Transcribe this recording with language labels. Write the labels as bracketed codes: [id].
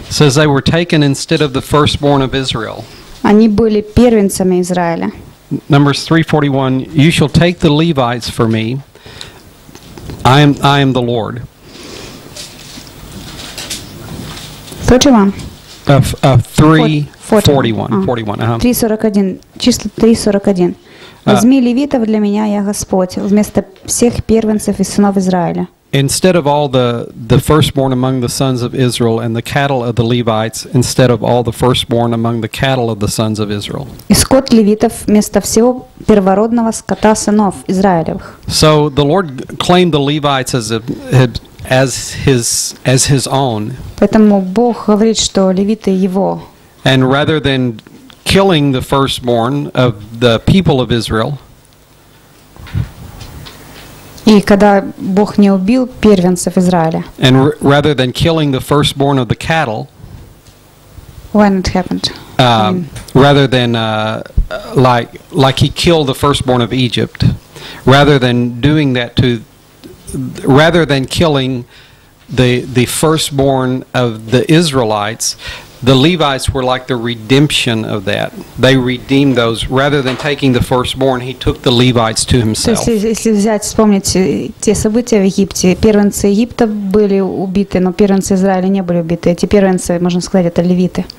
[en] Says they were taken instead of the firstborn of Israel. [ru] Они были первенцами Израиля. [en] Numbers 3:41. You shall take the Levites for me. I am the Lord. 3:41. 3:41. [ru] Возьми левитов для меня, я Господь, вместо всех первенцев и сынов Израиля. [en] Instead of all the firstborn among the sons of Israel and the cattle of the Levites, instead of all the firstborn among the cattle of the sons of Israel. [ru] И скот левитов вместо всего первородного скота сынов Израилевых. [en] So the Lord claimed the Levites as his own. [ru] Поэтому Бог говорит, что левиты его. [en] And rather than killing the firstborn of the people of Israel. [ru] И когда Бог не убил первенцев Израиля. [en] And rather than killing the firstborn of the cattle. When it happened. Rather than like he killed the firstborn of Egypt, rather than killing the firstborn of the Israelites, the Levites were like the redemption of that. They redeemed those. Rather than taking the firstborn, he took the Levites to himself. [ru] То есть, если взять, вспомнить те события в Египте, первенцы Египта были убиты, но первенцы Израиля не были убиты. Эти первенцы, можно сказать, это левиты.